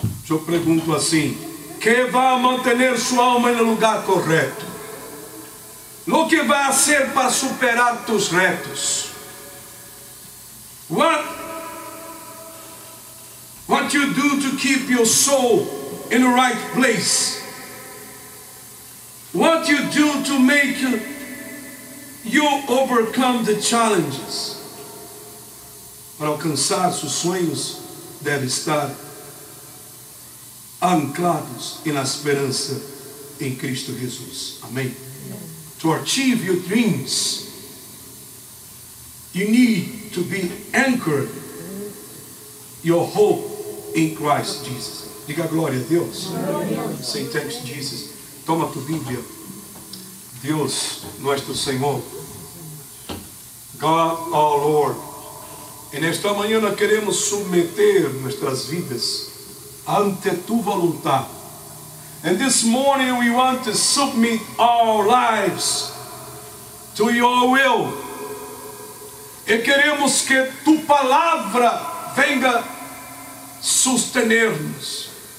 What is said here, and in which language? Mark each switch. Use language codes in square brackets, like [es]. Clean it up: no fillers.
[pt] Eu pergunto assim: que vai manter sua alma no lugar correto? O que vai fazer para superar [es] tus retos? [en] What you do to keep your soul in the right place? What you do to make you overcome the challenges? [pt] Para alcançar seus sonhos, deve estar anclados na esperança em Cristo Jesus. Amém. [en] To achieve your dreams, you need to be anchored your hope in Christ Jesus. [pt] Diga glória a Deus. [en] Say thanks Jesus. [pt] Toma tua Bíblia. Deus, nosso Senhor. [en] God, our Lord. [pt] E nesta manhã nós queremos submeter nossas vidas ante tua vontade. [en] And this morning we want to submit our lives to your will. [pt] E queremos que tua palavra venha sustener-nos.